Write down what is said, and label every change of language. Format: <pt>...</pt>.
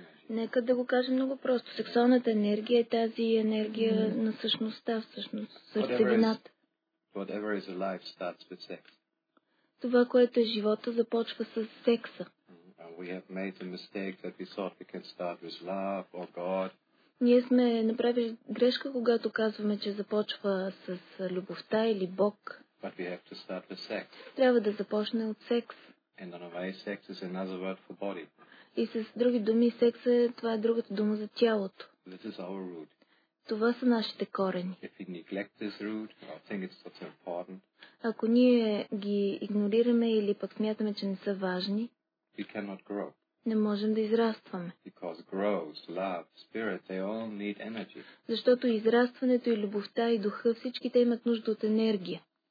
<bg>Нека да го кажем много просто. Сексуалната енергия е тази енергия на същността, всъщност, сърцевината.</bg> <en>Whatever is alive starts with sex.</en> <bg>Това, което е живота, започва с секса.</bg> <en>We have made the mistake that we thought we can start with love or God.</en> <bg>Ние сме направили грешка, когато казваме, че започва с любовта или Бог.</bg> <en>But we have to start with sex.</en> <bg>Трябва да започне от секс.</bg> <en>And in a way, sex is another word for body.</en> <bg>И с други думи, секса е, това е другата дума за тялото.</bg> <en>This is our root.</en> <bg>Това са нашите корени.</bg> <en>If we neglect this root, or think it's not important,</en> <bg>ако ние ги игнорираме или пък смятаме, че не са важни,</bg> <en>we cannot grow.</en> <bg>Не можем да израстваме.</bg> <en>Because growth, love, spirit, they all need energy.</en> <bg>Защото израстването и любовта и духа, всички те имат нужда от енергия.</bg>